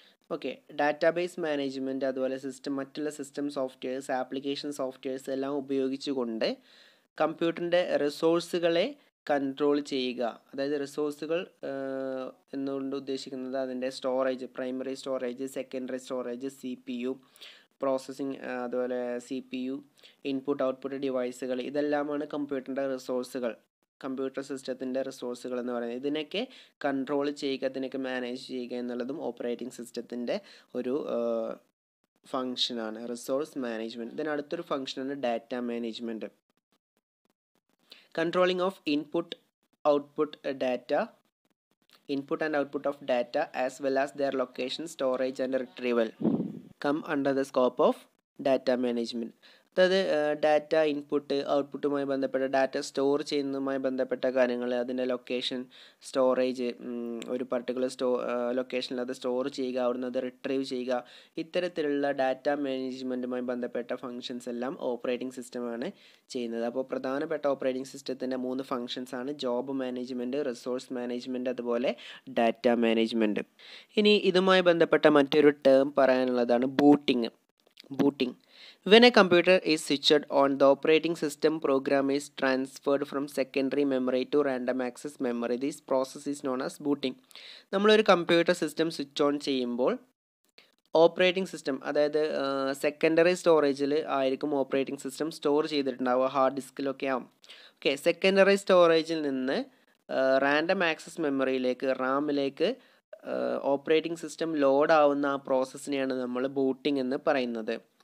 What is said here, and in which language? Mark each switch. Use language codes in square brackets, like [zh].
[ml] Okay, database management അതുപോലെ system മറ്റുള്ള system softwares application softwares എല്ലാം ഉപയോഗിച്ചുകൊണ്ട് കമ്പ്യൂട്ടറിൻ്റെ റിസോഴ്സുകളെ കൺട്രോൾ ചെയ്യുക, അതായത് റിസോഴ്സുകൾ എന്നുകൊണ്ട് ഉദ്ദേശിക്കുന്നത് അതിൻ്റെ storage, primary storage, secondary storage, C P U processing, അതുപോലെ C P U input output ഡിവൈസുകൾ, ഇതെല്ലാമാണ് കമ്പ്യൂട്ടറിൻ്റെ റിസോഴ്സുകൾ, കമ്പ്യൂട്ടർ സിസ്റ്റത്തിൻ്റെ റിസോഴ്സുകൾ എന്ന് പറയുന്നത്. ഇതിനൊക്കെ കൺട്രോൾ ചെയ്യുക, ഇതിനൊക്കെ മാനേജ് ചെയ്യുക എന്നുള്ളതും ഓപ്പറേറ്റിംഗ് സിസ്റ്റത്തിൻ്റെ ഒരു ഫംഗ്ഷനാണ് റിസോഴ്സ് മാനേജ്മെൻറ്റ്. ഇതിന് അടുത്തൊരു ഫംഗ്ഷനാണ് data management. [en] Controlling of input output data, input and output of data as well as their location, storage and retrieval come under the scope of data management. [ml] അതായത് data input ഔട്ട്പുട്ടുമായി ബന്ധപ്പെട്ട, data store ചെയ്യുന്നതുമായി ബന്ധപ്പെട്ട കാര്യങ്ങൾ, അതിൻ്റെ location storage, ഒരു particular ലൊക്കേഷനിൽ അത് store ചെയ്യുക, അവിടുന്ന് അത് റിട്രീവ് ചെയ്യുക, ഇത്തരത്തിലുള്ള ഡാറ്റ മാനേജ്മെൻറ്റുമായി ബന്ധപ്പെട്ട ഫംഗ്ഷൻസ് എല്ലാം ഓപ്പറേറ്റിംഗ് സിസ്റ്റമാണ് ചെയ്യുന്നത്. അപ്പോൾ പ്രധാനപ്പെട്ട ഓപ്പറേറ്റിംഗ് സിസ്റ്റത്തിൻ്റെ മൂന്ന് ഫംഗ്ഷൻസാണ് ജോബ് മാനേജ്മെൻറ്റ്, റിസോഴ്സ് മാനേജ്മെൻറ്റ്, അതുപോലെ ഡാറ്റ മാനേജ്മെൻറ്റ്. ഇനി ഇതുമായി ബന്ധപ്പെട്ട മറ്റൊരു term പറയാനുള്ളതാണ് booting. [en] Booting, when a computer is switched on, the operating system program is transferred from secondary memory to random access memory. This process is known as booting. [ml] നമ്മൾ ഒരു computer system switch on ചെയ്യുമ്പോൾ operating system, അതായത് secondary സ്റ്റോറേജിൽ ആയിരിക്കും operating system store ചെയ്തിട്ടുണ്ടാവുക, hard ഡിസ്കിലൊക്കെ ആവും. Okay, secondary സ്റ്റോറേജിൽ നിന്ന് random access മെമ്മറിയിലേക്ക്, റാമിലേക്ക് operating system load ആവുന്ന ആ പ്രോസസ്സിനെയാണ് നമ്മൾ ബൂട്ടിംഗ് എന്ന് പറയുന്നത്.